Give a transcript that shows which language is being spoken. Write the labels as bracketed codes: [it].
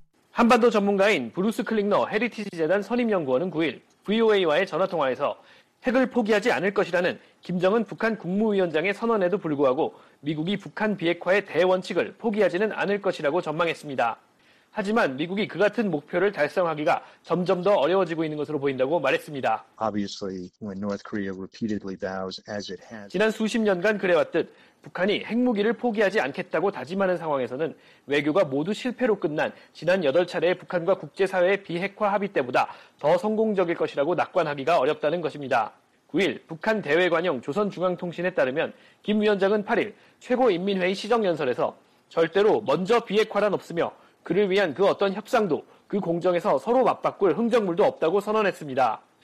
[ko] 한반도 전문가인 브루스 클릭너 헤리티지 재단 선임연구원은 9일 VOA와의 전화통화에서 핵을 포기하지 않을 것이라는 김정은 북한 국무위원장의 선언에도 불구하고 미국이 북한 비핵화의 대원칙을 포기하지는 않을 것이라고 전망했습니다. 하지만 미국이 그 같은 목표를 달성하기가 점점 더 어려워지고 있는 것으로 보인다고 말했습니다. [en] Obviously, when North Korea repeatedly vows as it has. [ko] 지난 수십 년간 그래왔듯 북한이 핵무기를 포기하지 않겠다고 다짐하는 상황에서는 외교가 모두 실패로 끝난 지난 8차례의 북한과 국제사회의 비핵화 합의 때보다 더 성공적일 것이라고 낙관하기가 어렵다는 것입니다. 9일 북한 대외관영 조선중앙통신에 따르면 김 위원장은 8일 최고인민회의 시정연설에서 절대로 먼저 비핵화란 없으며 그를 위한 그 어떤 협상도 그 공정에서 서로 맞바꿀 흥정물도 없다고 선언했습니다.